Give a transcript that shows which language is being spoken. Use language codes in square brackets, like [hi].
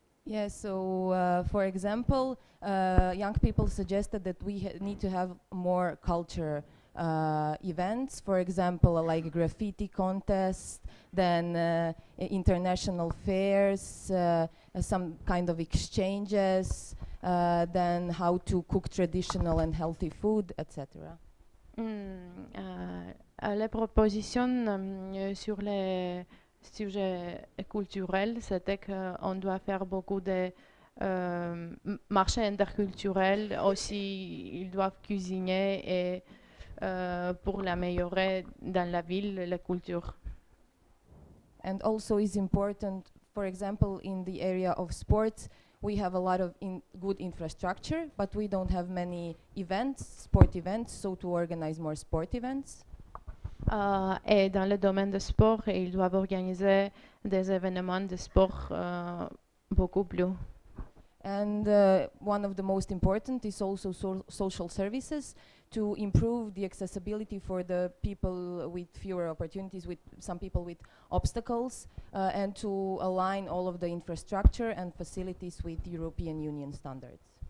[en] Yes, yeah, so for example, young people suggested that we need to have more culture events, for example, like graffiti contests, then international fairs, some kind of exchanges, then how to cook traditional and healthy food, etc. [fr] Les propositions sur les sujet culturel, c'était qu'on doit faire beaucoup de marchés interculturels, aussi ils doivent cuisiner et pour l'améliorer dans la ville, la culture. [en] And also is important, for example, in the area of sports, we have a lot of good infrastructure, but we don't have many events, sport events, so to organize more sport events. [fr] Et dans le domaine de sport, ils doivent organiser des événements de sport beaucoup plus. [en] And one of the most important is also social services to improve the accessibility for the people with fewer opportunities, with some people with obstacles, and to align all of the infrastructure and facilities with European Union standards.